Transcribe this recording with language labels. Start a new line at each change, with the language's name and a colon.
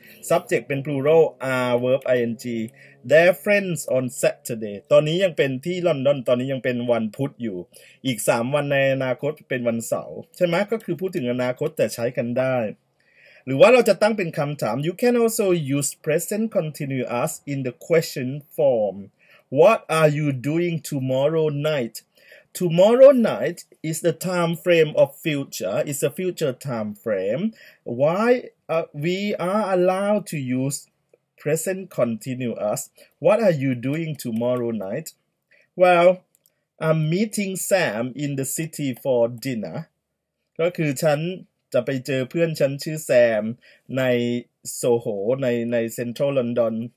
Thai: subject เป็น plural
English: are verb ing their friends on Saturday
Thai: ตอนนี้ยังเป็นที่ลอนดอนตอนนี้ยังเป็นวันพุธอยู่อีก3วันในอนาคตเป็นวันเสาร์ใช่ไหมก็คือพูดถึงอนาคตแต่ใช้กันได้หรือว่าเราจะตั้งเป็นคำถาม
English: You can also use present continuous in the question form What are you doing tomorrow night? Tomorrow night is the time frame of future It's a future time frame Why we are allowed to use present continuous What are you doing tomorrow night? Well, I'm meeting Sam in the city for dinner
Thai: ก็คือฉันจะไปเจอเพื่อนฉันชื่อแซมในโซโหในเซ็นทรัลลอนดอน